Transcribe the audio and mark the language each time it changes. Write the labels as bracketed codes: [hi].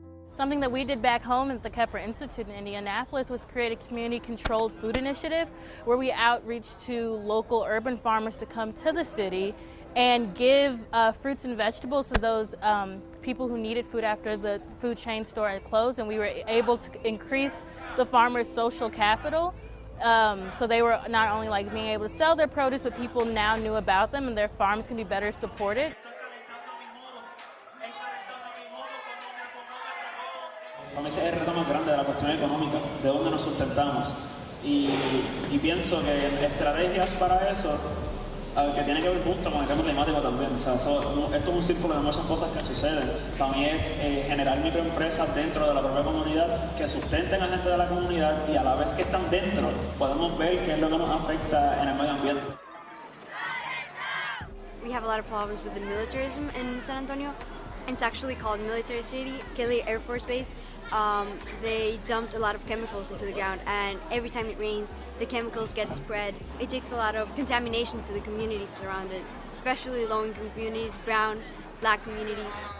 [en] Something that we did back home at the Kepler Institute in Indianapolis was create a community-controlled food initiative where we outreach to local urban farmers to come to the city and give fruits and vegetables to those people who needed food after the food chain store had closed. And we were able to increase the farmers' social capital. So they were not only like being able to sell their produce, but people now knew about them and their farms can be better supported. [es] A mí ese es el reto más grande de la cuestión económica, de dónde nos sustentamos. Y pienso que estrategias para eso, que tiene que ver justo con el cambio climático también. O sea, esto es un círculo de muchas cosas que suceden. Para mí es generar microempresas dentro de la propia comunidad que sustenten a gente de la comunidad y a la vez que están dentro, podemos ver qué es lo que nos afecta en el medio ambiente. [en] We have a lot of problems with the militarism in San Antonio. It's actually called Military City, Kelly Air Force Base. They dumped a lot of chemicals into the ground, and every time it rains, the chemicals get spread. It takes a lot of contamination to the communities surrounded, especially low-income communities, brown, black communities.